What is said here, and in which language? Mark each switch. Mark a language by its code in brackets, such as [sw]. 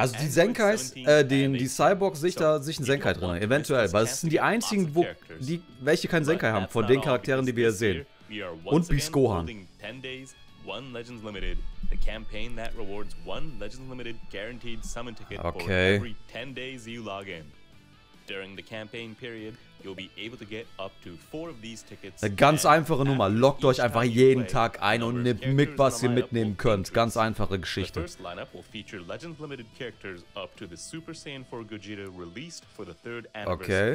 [de] also die Zenkais, die Cyborgs, sehe ich da sich einen Zenkai drin, eventuell. Weil es sind die einzigen, welche keinen Zenkai haben, von den Charakteren, die wir hier sehen. Und Beast Gohan. [en] One Legends Limited, the campaign that rewards one Legends Limited guaranteed summon ticket okay. For every 10 days you log in. During the campaign period, you'll be able to get up to 4 of these tickets. [de] Eine ganz einfache Nummer, loggt euch einfach jeden Tag ein und nehmt mit, was ihr mitnehmen könnt. Ganz einfache Geschichte. [en] The first lineup will feature Legends Limited characters up to the Super Saiyan 4 Gogeta released for the 3rd anniversary.